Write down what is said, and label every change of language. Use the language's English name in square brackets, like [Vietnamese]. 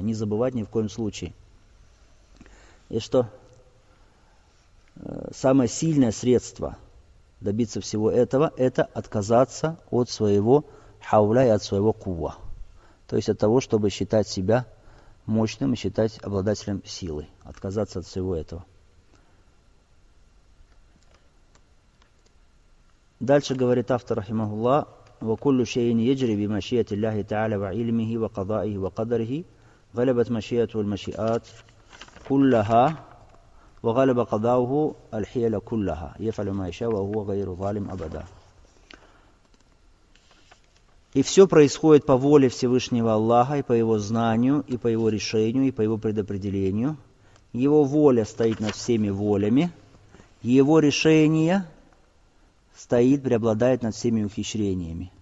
[Russian] Не забывать ни в коем случае. И что самое сильное средство добиться всего этого, это отказаться от своего хауля и от своего кувва. То есть от того, чтобы считать себя мощным и считать обладателем силы. Отказаться от всего этого. Дальше говорит автор, [Arabic] рахимахуллах, وَكُلُّ شَيْءٍ يَجْرِي بِمَشِيَةِ اللَّهِ تَعَالَى وَعِلْمِهِ وَقَضَائِهِ وَقَدَرِهِ غَلَبَتْ مَشِيَةُ وَالْمَشِيَاتِ كُلَّهَا وَغَلَبَ قَضَاؤُهُ الْحِيَلَ كُلَّهَا يَفْعَلُ مَا يَشَاءُ وَهُوَ غَيْرُ ظَالِمٍ أَبَدًا. [Russian] И все происходит по воле Всевышнего Аллаха, и по Его знанию, и по Его решению, и по Его предопределению. Его воля стоит над всеми волями. Его решение стоит, преобладает над всеми ухищрениями.